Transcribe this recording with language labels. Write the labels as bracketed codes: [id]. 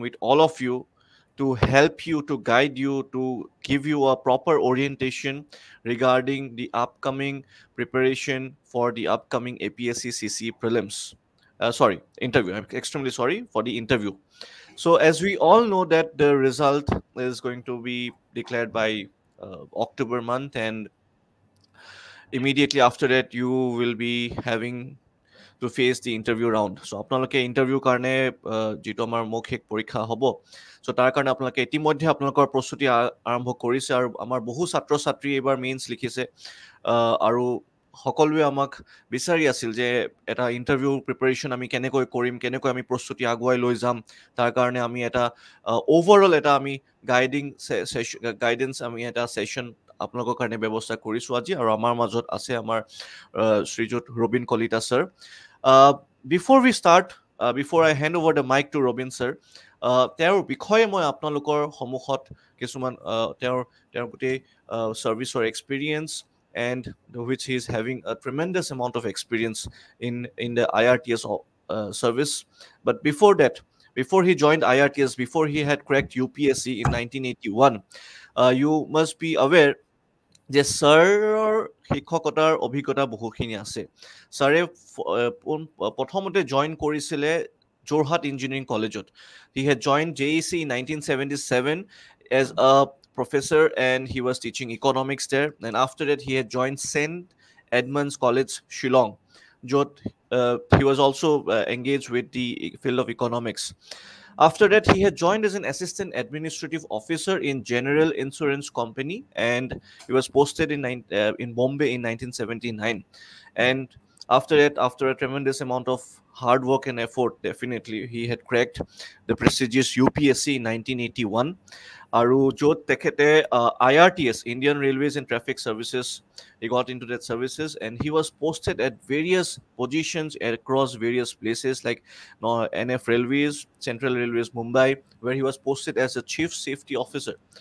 [en] with all of you to help you, to guide you, to give you a proper orientation regarding the upcoming preparation for the upcoming APSC CCE prelims. Sorry, interview. I'm extremely sorry for the interview. So as we all know that the result is going to be declared by October month, and immediately after that you will be having to face the interview round. [as] So apnaloke interview karne jitu amar mokhik porikha hobo, so tar karne apnaloke etimoddhe apnalokor prostuti arambho korise ar amar bohu chatra chatri ebar mains likhise aru সকলোৱে আমাক বিচাৰি আছিল যে এটা interview preparation আমি কেনেকৈ কৰিম, কেনেকৈ আমি প্ৰস্তুতি আগুৱাই লৈ যাম, তাৰ কাৰণে আমি এটা অ'ভাৰঅল এটা আমি গাইডিং গাইডেন্স আমি এটা ছেশ্যন আপোনালোকৰ কাৰণে ব্যৱস্থা কৰিছোঁ আজি। আৰু আমাৰ মাজত আছে আমাৰ শ্ৰীযুত Robin Kalita sir. [en] before we start, before I hand over the mic to Robin sir, [as] তেওঁৰ বিষয়ে মই আপোনালোকৰ সন্মুখত কিছুমান তেওঁৰ গোটেই ছাৰ্ভিচৰ experience [en] and which he is having a tremendous amount of experience in the IRTS service. But before that, before he joined IRTS, before he had cracked UPSC in 1981, you must be aware [as] যে ছাৰৰ শিক্ষকতাৰ অভিজ্ঞতা বহুখিনি আছে। ছাৰে প্ৰথমতে join কৰিছিলে Jorhat engineering কলেজত। [en] He had join J E C in 1977 as a professor and he was teaching economics there, and after that he had joined Saint Edmund's College Shillong, jot he was also engaged with the field of economics. After that he had joined as an assistant administrative officer in General Insurance Company, and he was posted in Bombay in 1979. And after that, after a tremendous amount of hard work and effort, definitely he had cracked the prestigious UPSC in 1981. [as] আৰু য'ত তেখেতে [en] I R T S Indian railways and traffic services he got into that services, and he was posted at various positions across various places like N F railways, central railways Mumbai, where he was posted as a chief safety officer.